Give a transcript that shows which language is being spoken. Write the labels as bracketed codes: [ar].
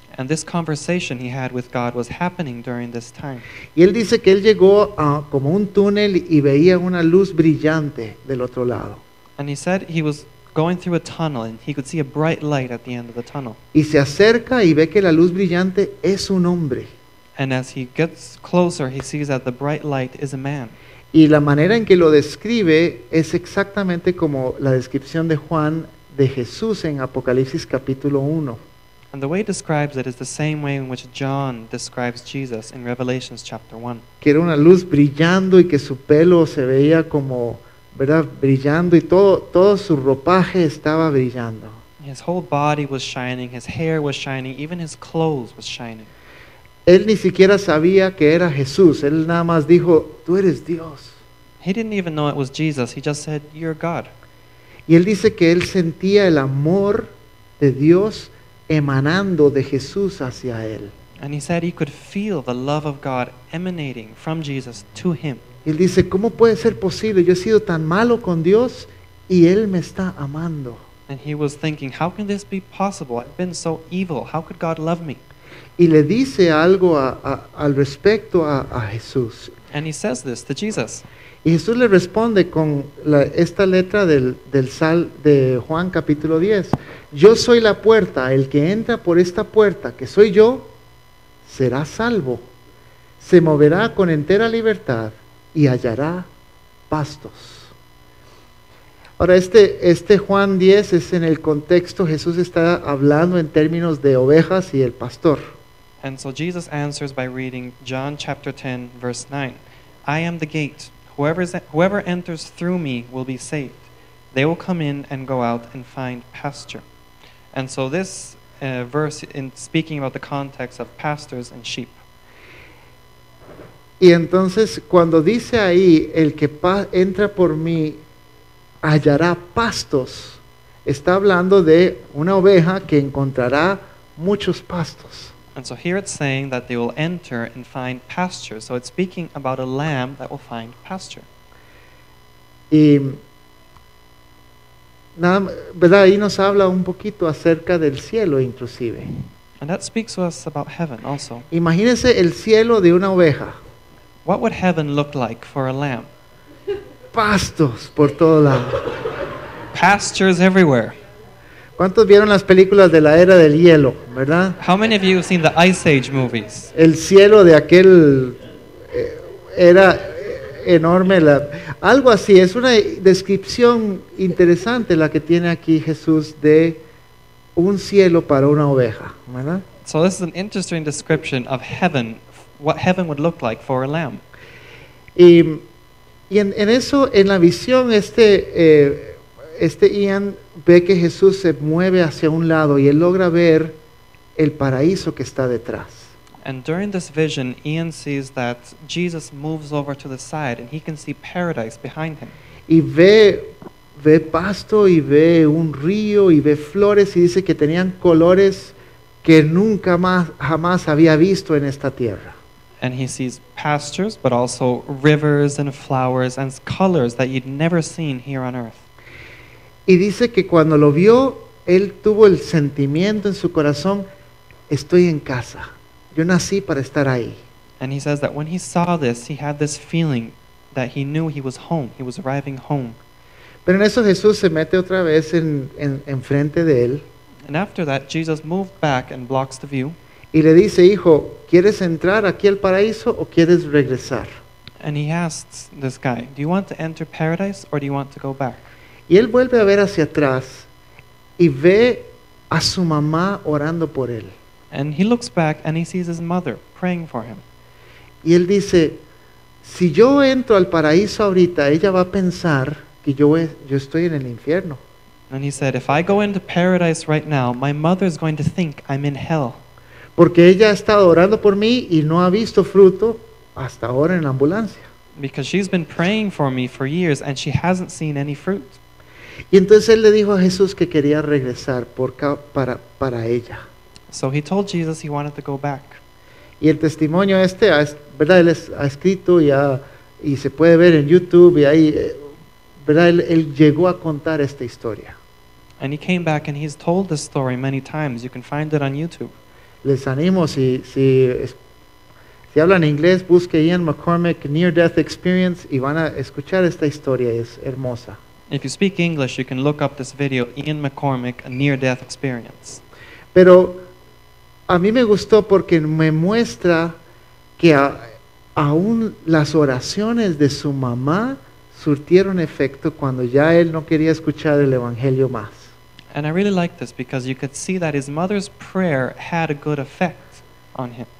[en] And this conversation he had with God was happening during this time. [es] Y él dice que él llegó a como un túnel y veía una luz brillante del otro lado. [en] And he said he was going through a tunnel and he could see a bright light at the end of the tunnel. [es] Y se acerca y ve que la luz brillante es un hombre. [en] And as he gets closer he sees that the bright light is a man. [es] Y la manera en que lo describe es exactamente como la descripción de Juan de Jesús en Apocalipsis capítulo 1. [en] And the way he describes it is the same way in which John describes Jesus in Revelation chapter 1. [es] Que era una luz brillando y que su pelo se veía como, ¿verdad? Brillando y todo su ropaje estaba brillando. [en] His whole body was shining, his hair was shining, even his clothes was shining. [es] Él ni siquiera sabía que era Jesús, él nada más dijo, tú eres Dios. [en] He didn't even know it was Jesus, he just said, you're God. [es] Y él dice que él sentía el amor de Dios emanando de Jesús hacia él. [en] And he said he could feel the love of God emanating from Jesus to him. [es] Y él dice, ¿cómo puede ser posible? Yo he sido tan malo con Dios y Él me está amando. [en] And he was thinking, how can this be possible? I've been so evil. How could God love me? [es] Y le dice algo al respecto a Jesús. [en] And he says this to Jesus. [es] Y Jesús le responde con esta letra del sal de Juan capítulo 10. Yo soy la puerta. El que entra por esta puerta, que soy yo, será salvo. Se moverá con entera libertad. Y hallará pastos. Ahora este Juan 10 es en el contexto, Jesús está hablando en términos de ovejas y el pastor. [en] And so Jesus answers by reading John chapter 10 verse 9. I am the gate. Whoever enters through me will be saved. They will come in and go out and find pasture. And so this verse in speaking about the context of pastors and sheep. [es] Y entonces cuando dice ahí, el que entra por mí hallará pastos, está hablando de una oveja que encontrará muchos pastos. [en] And so here it's saying that they will enter and find pasture. So it's speaking about a lamb that will find pasture. [es] Y nada, ¿verdad? Ahí nos habla un poquito acerca del cielo inclusive. [en] And that speaks to us about heaven also. [es] Imagínense el cielo de una oveja. [en] What would heaven look like for a lamb? [es] Pastos por todo lado. [en] Pastures everywhere. [es] ¿Cuántos vieron las películas de la era del hielo, verdad? [en] How many of you have seen the Ice Age movies? [es] El cielo de aquel era enorme. Algo así, es una descripción interesante la que tiene aquí Jesús de un cielo para una oveja, ¿verdad? [en] So this is an interesting description of heaven. What heaven would look like for a lamb. [es] Y en eso, en la visión, este Ian ve que Jesús se mueve hacia un lado y él logra ver el paraíso que está detrás. [en] And during this vision, Ian sees that Jesus moves over to the side and he can see paradise behind him. [es] Y ve pasto y ve un río y ve flores y dice que tenían colores que nunca más jamás había visto en esta tierra. [en] And he sees pastures, but also rivers and flowers and colors that you'd never seen here on earth. [es] Y dice que cuando lo vio, él tuvo el sentimiento en su corazón, estoy en casa. Yo nací para estar ahí. [en] And he says that when he saw this, he had this feeling that he knew he was home. He was arriving home. [es] Pero en eso Jesús se mete otra vez en frente de él. [en] And after that, Jesus moved back and blocks the view. [es] Y le dice, hijo, ¿quieres entrar aquí al paraíso o quieres regresar? [en] And he asks this guy, do you want to enter paradise or do you want to go back? [es] Y él vuelve a ver hacia atrás y ve a su mamá orando por él. [en] And he looks back and he sees his mother praying for him. [es] Y él dice, Si yo entro al paraíso ahorita, ella va a pensar que yo estoy en el infierno. [en] And he said, if I go into paradise right now, my mother is going to think I'm in hell. [es] Porque ella ha estado orando por mí y no ha visto fruto hasta ahora en la ambulancia. [en] Because she's been praying for me for years and she hasn't seen any fruit. [es] Y entonces él le dijo a Jesús que quería regresar para ella. [en] So he told Jesus he wanted to go back. [es] Y el testimonio este, ¿verdad? Él ha escrito y se puede ver en YouTube y ahí, ¿verdad? Él llegó a contar esta historia. [en] And he came back and he's told this story many times. You can find it on YouTube. [es] Les animo, si hablan inglés, busque Ian McCormick Near Death Experience y van a escuchar esta historia, es hermosa. [en] If you speak English, you can look up this video, Ian McCormick, A Near Death Experience. [es] Pero a mí me gustó porque me muestra que aún las oraciones de su mamá surtieron efecto cuando ya él no quería escuchar el Evangelio más. [en] And I really like this because you could see that his mother's prayer had a good effect on him.